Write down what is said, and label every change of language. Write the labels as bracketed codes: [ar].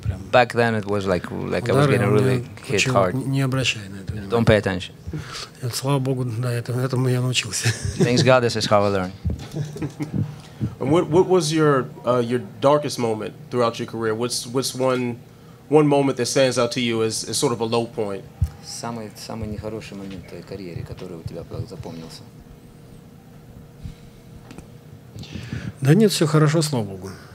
[en] Back then it was like I was getting really hit hard. Don't pay attention. [ru] Слава Богу, да, этому я научился. [en] Thanks God, this is how I learned. And what was your darkest moment throughout your career? What's one moment that stands out to you as sort of a low point? [ru] Самый нехороший момент твоей карьеры, который у тебя запомнился. Да нет, все хорошо, слава Богу.